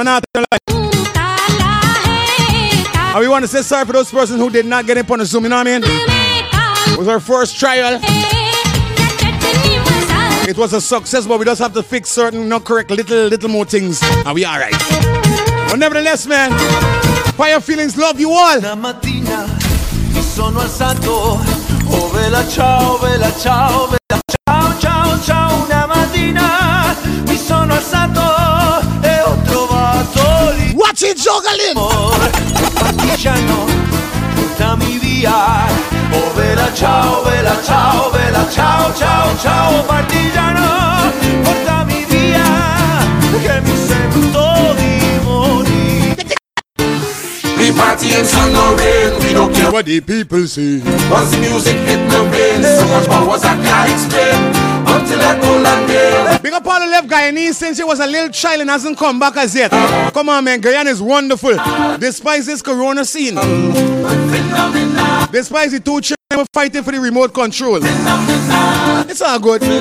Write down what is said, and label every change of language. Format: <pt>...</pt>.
<en>And we wanna say sorry for those persons who did not get up on the Zoom, you know what I mean? It was our first trial. It was a success, but we just have to fix certain not correct little more things, and we are right. But nevertheless, man, Fire Feelings love you all.</en> <it>Una mattina mi sono alzato, oh bella ciao, bella ciao, bella ciao, ciao, ciao. Una mattina mi sono alzato e ho trovato lì.</it> <en>Watch it, juggling!</en> <it>Partigiano, portami via. Oh bella ciao, bella ciao, bella ciao, ciao, ciao, partigiano, portami via, che mi sento di morire.</it> <en>We party in San Lorenzo, we don't care what the people say. Buzz music hit the bass, so much more was that guy explain. Big up all the left Guyanese since he was a little child and hasn't come back as yet. Come on, man, Guyana is wonderful. Despite this corona scene, despite the two children fighting for the remote control, it's all good.</en>